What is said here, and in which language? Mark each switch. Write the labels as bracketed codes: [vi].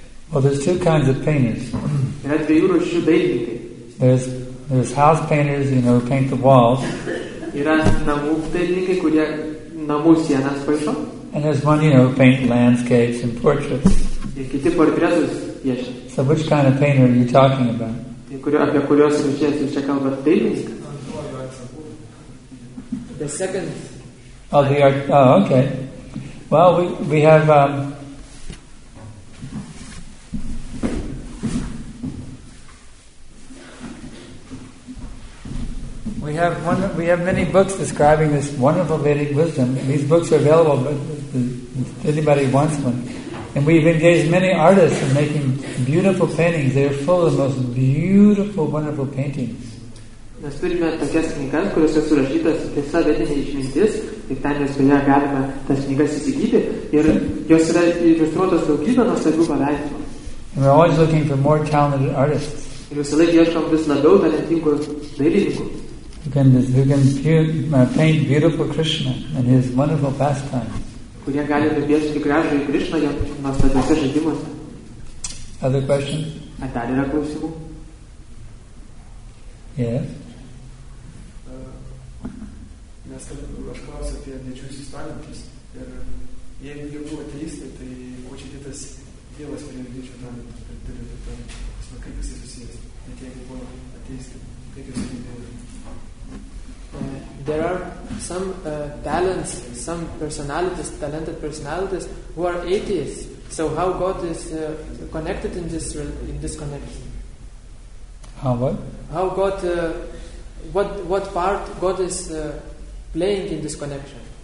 [en] Well, there's two kinds of painters. There's house painters, you know, who paint the walls. And there's one, you know, who paint landscapes and portraits. So which kind of painter are you talking about? [lt] Apie kurios rūšies jūs čia kalbat, dailininkas? [en] The second. Oh, they are. Oh, okay. Well, we have. We have many books describing this wonderful Vedic wisdom. These books are available, but if anybody wants one. And we've engaged many artists in making beautiful paintings. They're full of the most beautiful, wonderful paintings. [lt] Mes turime tokias knygas, kuriuose surašytas visa vedinė išmintis, ir ten mes joje galime tas knygas įsigyti, ir jos yra iliustruotos daugybė nuostabių paveikslų. [en] And we're always looking for more talented artists. [lt] Ir visą laiką ieškom vis labiau talentingų dailininkų. [en] Who can paint beautiful Krishna and his wonderful pastimes. [lt] Kurie gali nupiešti gražų į Krishna jo nuostabiuose žaidimuose. [en] Other question? [lt] Ar dar yra klausimų? [en] Yes. [lt] Mes kalbėjome, aš klausiu apie didžiuosius talentus. Ir jeigu jie buvo ateistai, tai kuo čia kitas dievas prie didžių talentų? Kaip jisai susijęs? Net jeigu buvo ateistai, kaip jisai dėl? [en] there are some talents, some personalities, talented personalities who are atheists. So how God is connected in this connection? How what? How God? What part God is playing in this connection?